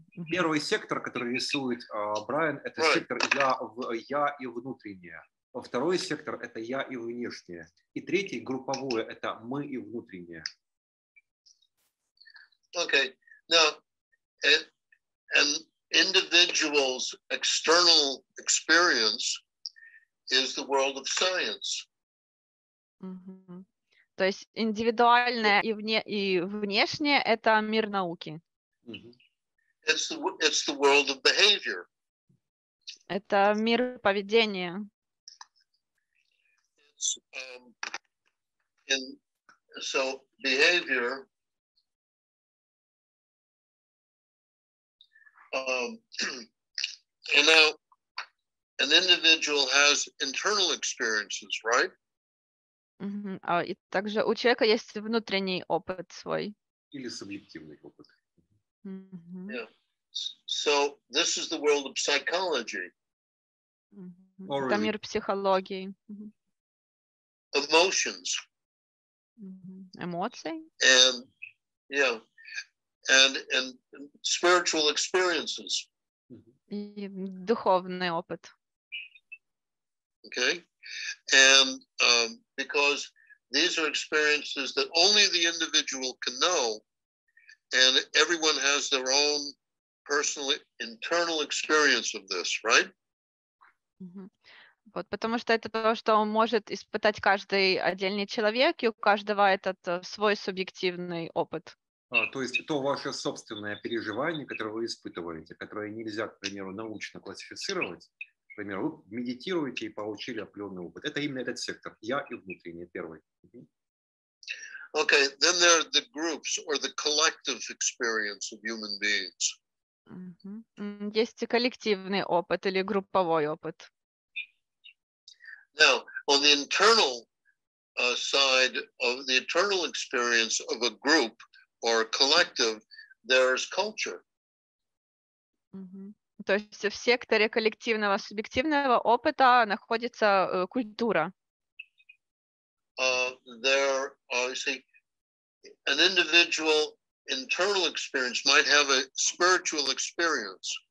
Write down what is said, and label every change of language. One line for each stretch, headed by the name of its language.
Russian: Первый сектор, который рисует Брайан, это
English: right.
Russian: сектор я и внутреннее. Второй сектор – это я и внешнее. И третий – групповое – это мы и внутреннее.
English: Okay. Now, and individual's external experience is the world of science. Mm-hmm.
Russian: То есть индивидуальное и внешнее – это мир науки.
English: Mm-hmm. It's the world of behavior.
Russian: Это мир поведения.
English: It's, so behavior and now an individual has internal experiences, right? Mm-hmm.
Russian: А и также у человека есть внутренний опыт свой. Или субъективный опыт. Mm-hmm.
English: Yeah. So this is the world of psychology.
Russian: Mm-hmm. Это мир психологии.
English: Mm-hmm. Emotions.
Russian: Mm-hmm. Эмоции.
English: And yeah. And spiritual experiences.
Russian: И духовный опыт.
English: Okay. And because these are experiences that only the individual can know, and everyone has their own personal internal experience of this, right?
Russian: Вот, потому что это то, что может испытать каждый отдельный человек, и у каждого этот свой субъективный опыт. То есть то ваше собственное переживание, которое вы испытываете, которое нельзя, к примеру, научно классифицировать, к примеру, вы медитируете и получили определенный опыт. Это именно этот сектор. Я и внутренний первый.
English: Okay, then there are the groups or the collective experience of human beings. Mm-hmm.
Russian: Есть и коллективный опыт или групповой опыт.
English: Now, on the internal side of the internal experience of a group, or collective, there is culture. Mm-hmm.
Russian: То есть в секторе коллективного субъективного опыта находится культура.
English: There, see, an individual internal experience might have a spiritual experience.